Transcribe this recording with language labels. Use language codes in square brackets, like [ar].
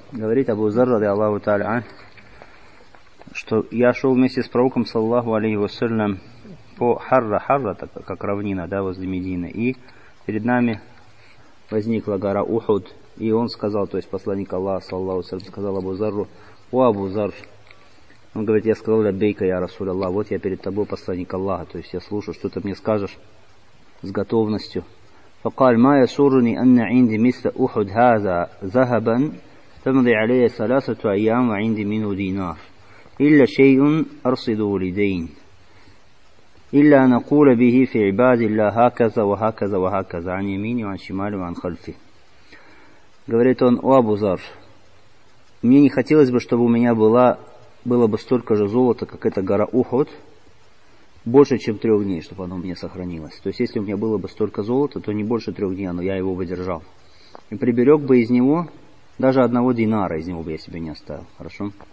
[ru] Говорит Абу Зар ради Аллаху Тааля ан, что я шел вместе с пророком саллаллаху алейхи ва саллям по Харра, Харра, как равнина, да, возле Медины, и перед нами возникла гора Ухуд, и он сказал, то есть посланник Аллаха саллаллаху алейхи ва саллям сказал Абу Зарру: «О Абу Зар», он говорит, «я сказал лаббейка я Расул Аллах, вот я перед тобой посланник Аллаха, то есть я слушаю, что ты мне скажешь с готовностью». [ar] فقال ما يسرني ان عندي مثل احد هذا ذهبا تمضي علي ثلاثه ايام وعندي منه دينار الا شيء ارصد لدين الا ان اقول به في عباد الله هكذا وهكذا وهكذا عن يميني وعن شمالي وعن خلفي. [ru] Говорит он: «О Абу Зар, мне не хотелось бы, чтобы у меня было бы столько же золота, как эта гора Ухуд, больше, чем 3 дней, чтобы оно у меня сохранилось». То есть, если у меня было бы столько золота, то не больше 3 дней, но я его бы держал. И приберег бы из него, даже 1 динара из него бы я себе не оставил. Хорошо?